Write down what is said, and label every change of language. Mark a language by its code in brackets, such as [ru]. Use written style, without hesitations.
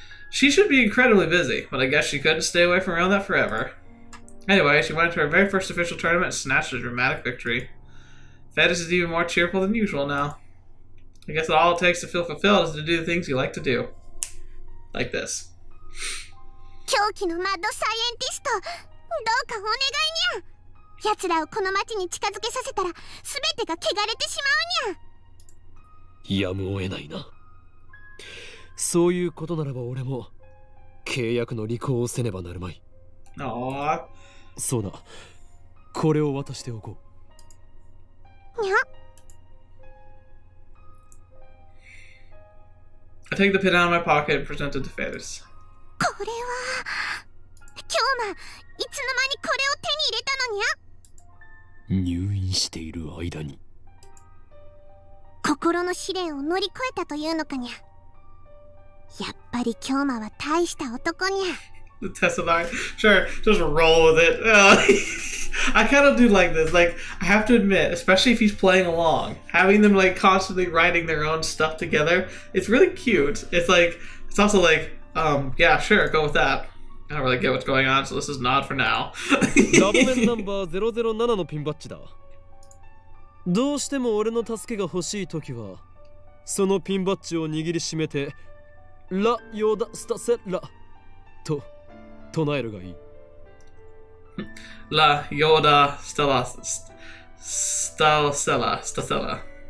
[en] She should be incredibly busy, but I guess she couldn't stay away from RealNet forever. Anyway, she went into her very first official tournament and snatched a dramatic victory. Fetish is even more cheerful than usual now. I guess that all it takes to feel fulfilled is to do the things you like to do. Like this. [ja] 狂気のマッドサイエンティスト!どうかお願いにゃ。奴らをこの町に近づけさせたら、すべてが汚れてしまうにゃ。やむを得ないな。そういうことならば俺も契約の履行をせねばなるまい。ああ。そうだ。これを渡しておこう。にゃ。 [en] I take the pen out of my pocket and present it to Fetis. [ja] これは。今日ま、いつの間にこれを手に入れたのにゃ。入院している間に心の試練を乗り越えたというのかにゃ。やっぱり京馬は大した男にゃ。 [en] Testify. Sure, just roll with it. I kind of do like this. Like, I have to admit, especially if he's playing along, having them like constantly writing their own stuff together, it's really cute. It's like, it's also like, yeah, sure, go with that. I don't really get what's going on, so this is not for now. Double number [ja] 007 のピンバッジだ。どうしても俺の助けが欲しい時は、そのピンバッジを握りしめて、ラヨダスタセラと。唱えるがいい。ラヨダスタラスタルセラスタセラ。